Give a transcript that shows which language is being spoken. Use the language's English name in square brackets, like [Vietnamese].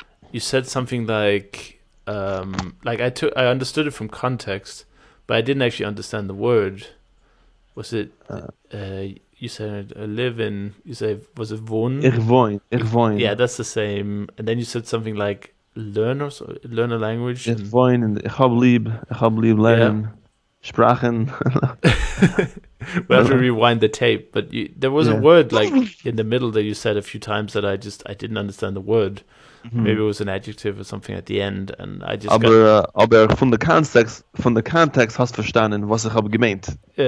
[English] You said something like I understood it from context, but I didn't actually understand the word. Was it? You said live in. You say was it [German] wohnen? Ich wohne. [English] Yeah, that's the same. And then you said something like learn a language. [German] Ich wohne in ich hab lieb lernen Sprachen. [English] We have to rewind the tape, but there was a word like in the middle that you said a few times that I didn't understand the word. Mm-hmm. Maybe it was an adjective or something at the end, and I just. [German] Aber von der Kontext hast verstanden, was ich habe gemeint.